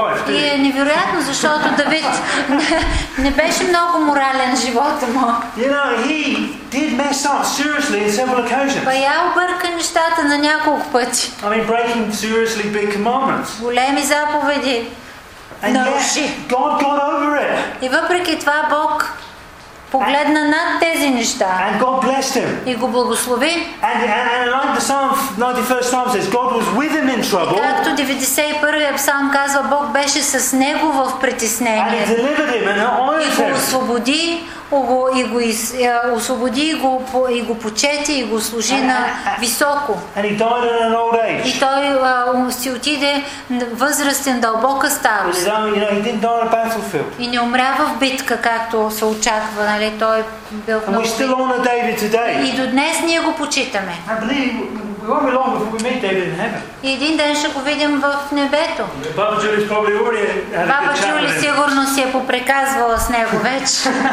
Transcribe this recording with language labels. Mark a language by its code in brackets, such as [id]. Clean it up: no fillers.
[bg] и е невероятно, защото Давид не беше много морален живота му. [en] You know, he did mess up seriously in several occasions. [bg] Па я обърка нещата на няколко пъти. [en] I mean, breaking seriously big commandments. [bg] Големи заповеди. [en] And yet, God got over it. [bg] И въпреки това Бог погледна над тези неща. [en] And God blessed him. [bg] И го благослови. [en] And like the Psalm 91st Psalm says, God was with him in trouble. [bg] Както 91-я Псалм казва, Бог беше с него в притеснение. [en] And he delivered him and honored [bg] him. И го освободи, и го почете и го служи на високо. [en] And he died in an old age. [bg] И той си отиде възрастен, дълбока старост. [en] You know, he didn't die on a battlefield. [bg] И не умря в битка, както се очаква, нали? Той бил в [en] много. And we still honor David today. [bg] И до днес ние го почитаме. [en] I believe we won't be long before we meet David in heaven. [bg] И един ден ще го видим в небето. [en] Баба Джули probably already had a good chat with him. [bg] Баба Джули сигурно си е попреказвала с него вече.